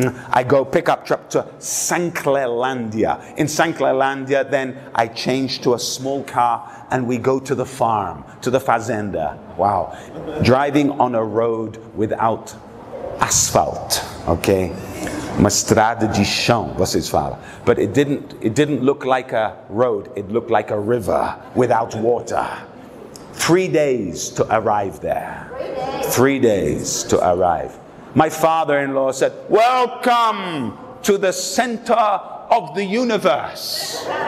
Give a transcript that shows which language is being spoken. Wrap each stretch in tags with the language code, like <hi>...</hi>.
<en>I go pickup truck to San Clairlandia. In San Clairlandia, then I change to a small car and we go to the farm, to the fazenda. Wow. Driving on a road without asphalt, okay?</en> <pt>Uma estrada de chão, vocês falam.</pt> <en>But it didn't look like a road. It looked like a river without water. 3 days to arrive there. 3 days to arrive. My father-in-law said, "Welcome to the center of the universe."</en>